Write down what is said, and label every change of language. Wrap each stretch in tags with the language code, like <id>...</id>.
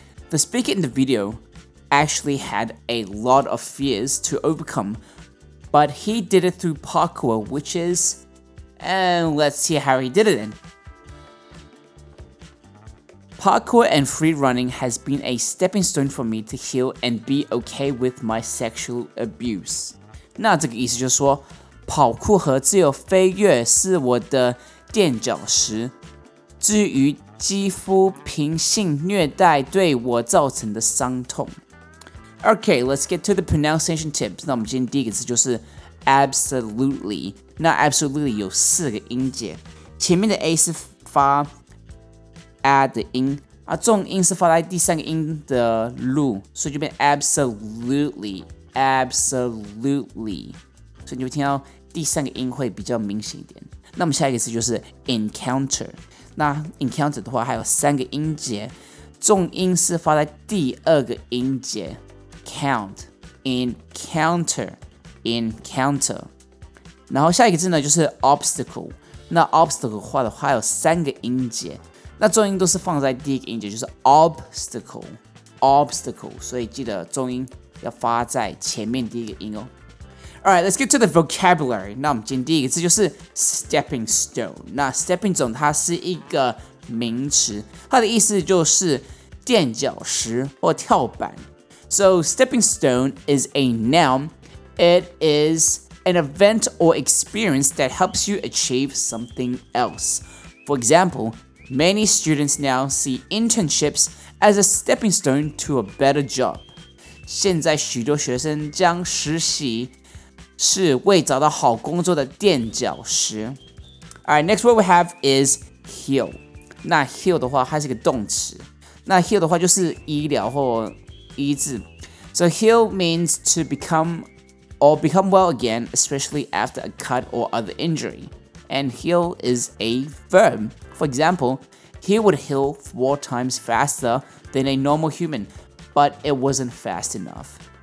<en>The speaker in the video actually had a lot of fears to overcome, but he did it through parkour, which is... And let's see how he did it then. Parkour and free running has been a stepping stone for me to heal and be okay with my sexual abuse.</en> <zh>那这个意思就是说, 跑酷和自由飞跃是我的垫脚石。至于肌肤平性虐待对我造成的伤痛。</zh> <en>Okay, let's get to the pronunciation tips.</en> <zh>那我们今天第一个字就是 absolutely. 那 absolutely 有四个音节。前面的A是发 add的音, 重音是发在第三个音的路, 所以就变 absolutely, absolutely. 所以你会听到 第三个音会比较明显一点。那我们下一个词就是 encounter。那 encounter 的话还有三个音节，重音是发在第二个音节 count，encounter，encounter。然后下一个字呢就是 obstacle。那 obstacle 的话还有三个音节，那重音都是放在第一个音节，就是 obstacle，obstacle。所以记得重音要发在前面第一个音哦。</zh> <en>Alright, let's get to the vocabulary.</en> <zh>那我们今天第一个字就是 stepping stone. 那 stepping stone 它是一个名词, 它的意思就是垫脚石或跳板.</zh> <en>So stepping stone is a noun. It is an event or experience that helps you achieve something else. For example, many students now see internships as a stepping stone to a better job.</en> <zh>现在许多学生将实习 是为找到好工作的垫脚石。</zh> <en>Alright, next word we have is heal.</en> <zh>那 heal 的话 它是一个动词, 那 heal 的话就是医疗或医治。</zh> <en>So heal means to become or become well again, especially after a cut or other injury. And heal is a verb. For example, he would heal 4 times faster than a normal human, but it wasn't fast enough.</en>